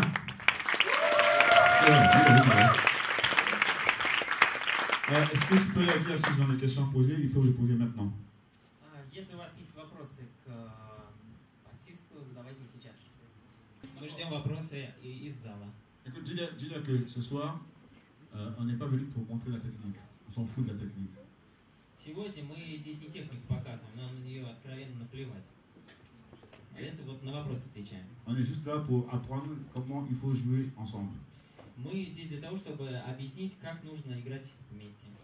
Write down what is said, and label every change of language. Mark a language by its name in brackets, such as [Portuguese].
[French] Est-ce que je peux leur dire si vous avez des questions à poser, il faut les poser maintenant. [Russian] Если у вас есть вопросы к басисту, задавайте сейчас. Мы ждем вопросы из зала. [French] Écoute, dis-leur que ce soir, on n'est pas venu pour montrer la technique. On s'en fout de la technique. [Russian] Сегодня мы здесь не технику показываем, нам на нее откровенно наплевать. Это вот на вопросы отвечаем. [French] On est juste là pour apprendre comment il faut jouer ensemble. [Russian] Мы здесь для того, чтобы объяснить, как нужно играть вместе.